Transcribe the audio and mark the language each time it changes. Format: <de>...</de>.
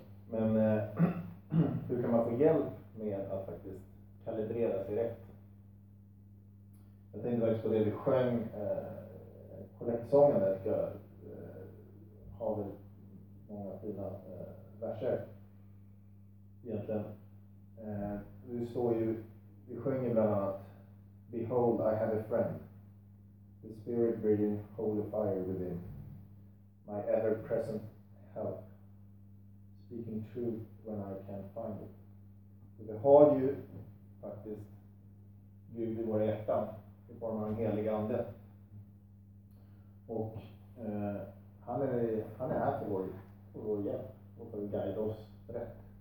<sv>Men hur kan man få hjälp med att faktiskt kalibrera sig rätt? Jag tänkte faktiskt på det vi sjöng, kollektsången där har vi många fina verser egentligen. Det står ju, vi sjunger bland annat</sv> <en>behold, I have a friend, the spirit breathing holy fire within, my ever present help, speaking truth when I can't find it.</en> <sv>Så vi har ju faktiskt Gud i vår hjärta i form av en helig ande. Och han är här för vår och vår hjälp och för att guida oss rätt.</sv>